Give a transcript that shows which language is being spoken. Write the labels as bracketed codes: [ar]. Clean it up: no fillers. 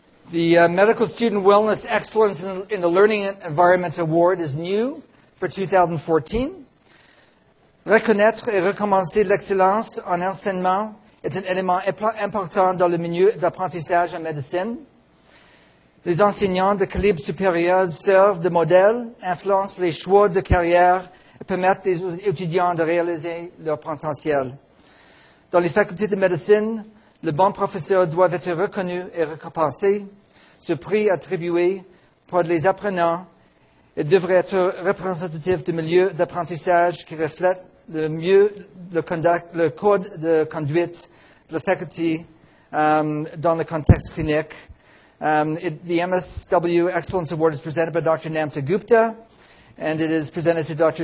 [en] The Medical Student Wellness Excellence in the Learning Environment Award is new for 2014. [fr] Reconnaître et recommencer l'excellence en enseignement est un élément important dans le milieu d'apprentissage en médecine. Les enseignants de calibre supérieur servent de modèle, influencent les choix de carrière et permettent aux étudiants de réaliser leur potentiel. Dans les facultés de médecine, le bon professeur doit être reconnu et récompensé. Ce prix attribué pour les apprenants et devrait être représentatif du milieu d'apprentissage qui reflète le mieux le code de conduite de la faculté dans le contexte clinique. [en] The MSW Excellence Award is presented by Dr. Namta Gupta and it is presented to Dr.